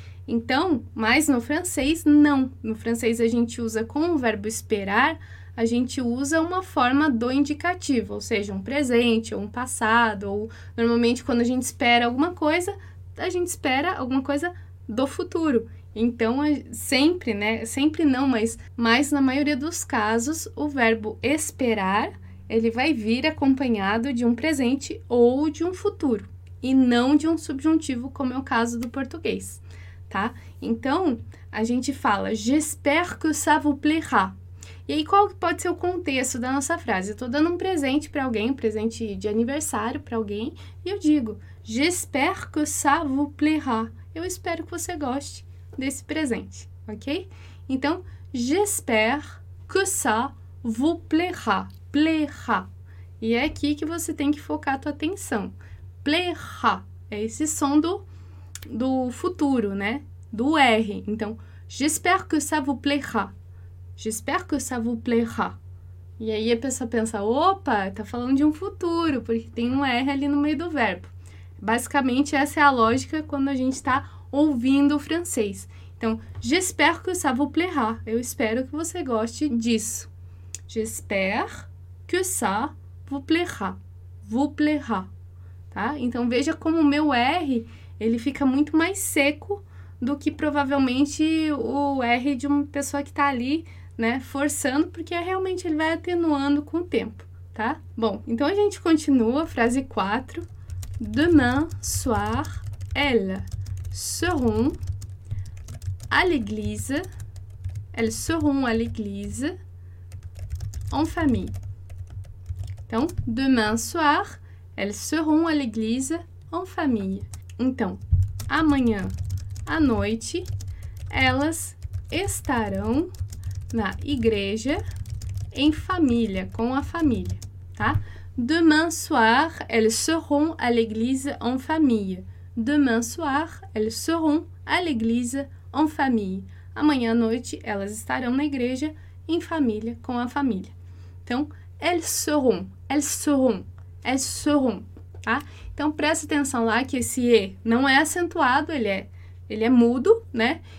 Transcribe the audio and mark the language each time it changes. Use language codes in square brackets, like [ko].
[pt] Então, mas no francês, não. No francês, a gente usa com o verbo esperar, a gente usa uma forma do indicativo, ou seja, um presente, ou um passado, ou normalmente quando a gente espera alguma coisa, a gente espera alguma coisa do futuro. Então, sempre, né? Sempre não, mas na maioria dos casos, o verbo esperar, ele vai vir acompanhado de um presente ou de um futuro, e não de um subjuntivo, como é o caso do português, tá? Então, a gente fala, [fr] J'espère que ça vous plaira. [pt] E aí, qual pode ser o contexto da nossa frase? Eu estou dando um presente para alguém, um presente de aniversário para alguém, e eu digo, [fr] J'espère que ça vous plaira. [pt] Eu espero que você goste desse presente, ok? [fr] Então, j'espère que ça vous plaira. Plaira. [pt] E é aqui que você tem que focar a tua atenção. Plaira. É esse som do futuro, né? Do R. [fr] Então, j'espère que ça vous plaira. J'espère que ça vous plaira. [pt] E aí a pessoa pensa, opa, tá falando de um futuro, porque tem um R ali no meio do verbo. Basicamente, essa é a lógica quando a gente está ouvindo o francês. [fr] Então, j'espère que ça vous plaira. [pt] Eu espero que você goste disso. [fr] J'espère que ça vous plaira. Vous plaira. Tá? [pt] Então, veja como o meu R, ele fica muito mais seco do que provavelmente o R de uma pessoa que está ali, né, forçando, porque realmente ele vai atenuando com o tempo, tá? Bom, então a gente continua, frase 4. [fr] Demain soir, elle seront à l'église, elles seront à l'église en famille. Então, demain soir, elles seront à l'église en famille. [pt] Então, amanhã à noite, elas estarão na igreja em família, com a família, tá? [fr] Demain soir, elles seront à l'église en famille. Demain soir, elles seront à l'église en famille. [pt] Amanhã à noite, elas estarão na igreja em família, com a família. [fr] Então, elles seront, elles seront, elles seront, tá? [pt] Então, presta atenção lá que esse E não é acentuado, ele é mudo, né?